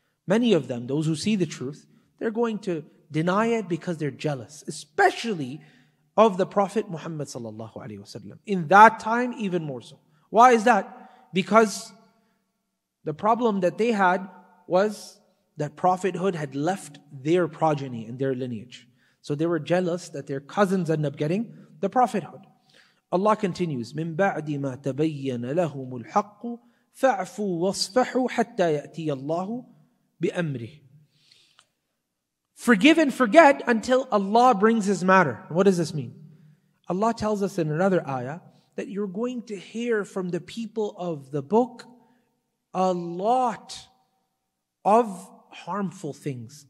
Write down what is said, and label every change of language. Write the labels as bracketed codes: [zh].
[en] Many of them, those who see the truth, they're going to deny it because they're jealous, especially of the Prophet Muhammad sallallahu alaihi wasallam. In that time, even more so. Why is that? Because the problem that they had was that prophethood had left their progeny and their lineage. So they were jealous that their cousins end up getting the prophethood. Allah continues, [ar] مِن بَعْدِ مَا تَبَيَّنَ لَهُمُ الْحَقُّ فَاعْفُوا وَاصْفَحُوا حَتَّى يَأْتِيَ اللَّهُ بِأَمْرِهِ. [en] Forgive and forget until Allah brings His matter. What does this mean? Allah tells us in another ayah that you're going to hear from the people of the book a lot of harmful things.